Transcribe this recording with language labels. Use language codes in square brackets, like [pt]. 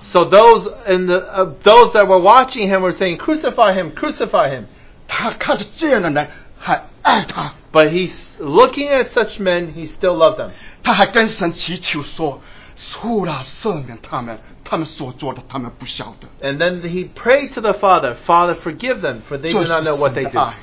[en] so those in the those that were watching him were saying, crucify him, crucify him. [zh] 他看着这样的人, 还爱他, [en] but he's looking at such men, he still loved them. [zh] 他还跟神祈求说, 恕了赦免他们, [en] and then he prayed to the Father, Father, forgive them, for they do not know what they do.